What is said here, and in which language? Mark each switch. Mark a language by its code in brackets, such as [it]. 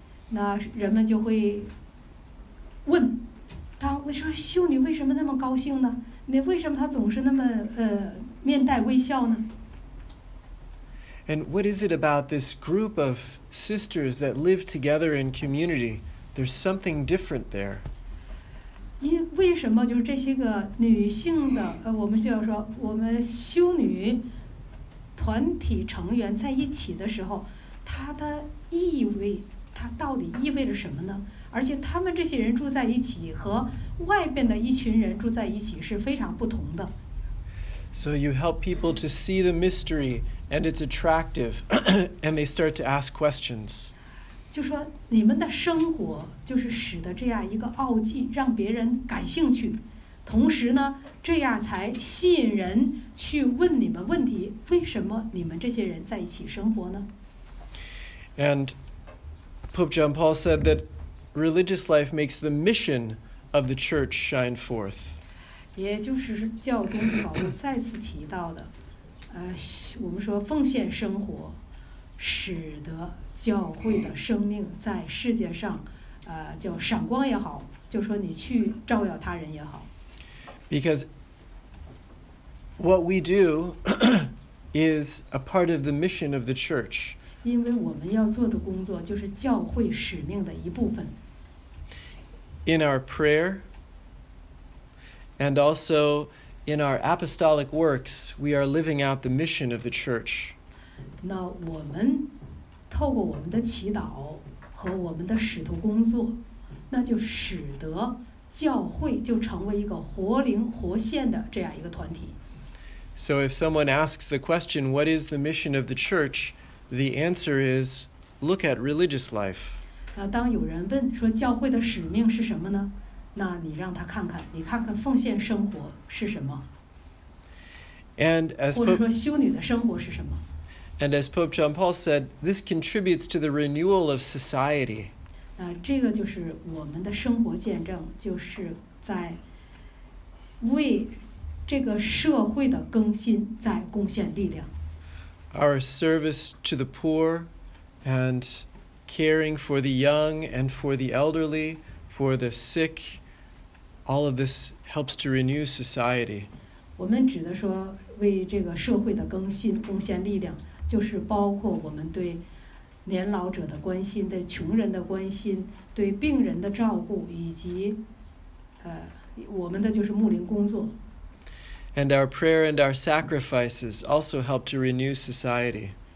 [zh] 那人们就会问。当我说修女为什么那么高兴呢？那为什么她总是那么面带微笑呢 [en] ？And what is it about this group of sisters that live together in community? There's something different there. [zh] 因为什么就是这些个女性的我们就要说我们修女团体成员在一起的时候，它的意味它到底意味着什么呢？而且他们这些人住在一起和外边的一群人住在一起是非常不同的。 [en] So you help people to see the mystery and it's attractive and they start to ask questions. [zh] 就说你们的生活就是使得这样一个奥迹让别人感兴趣，同时呢这样才吸引人去问你们问题，为什么你们这些人在一起生活呢？ [en] And Pope John Paul said that religious life makes the mission of the church shine forth. [zh] 也就是教宗保罗再次提到的，我们说奉献生活使得教会的生命在世界上，叫闪光也好，就说你去照耀他人也好。 [en] Because what we do is a part of the mission of the church. [zh] 因为我们要做的工作就是教会使命的一部分。 [en] In our prayer and also in our apostolic works, we are living out the mission of the church. [zh] 那我们透过我们的祈祷和我们的使徒工作，那就使得教会就成为一个活灵活现的这样一个团体。 [en] So if someone asks the question, what is the mission of the church? The answer is, look at religious life. [zh] 当有人问说教会的使命是什么呢？那你让他看看，你看看奉献生活是什么。 [en] And as [zh] 或者说修女的生活是什么。 [en] And as Pope John Paul said, this contributes to the renewal of society. [zh] 这个就是我们的生活见证，就是在为这个社会的更新在贡献力量。 [en] Our service to the poor and caring for the young and for the elderly, for the sick, all of this helps to renew society. [zh] 我们指的说为这个社会的更新贡献力量，就是包括我们对年老者的关心，对穷人的关心，对病人的照顾，以及我们的就是牧灵工作。 [en] And our prayer and our sacrifices also help to renew society.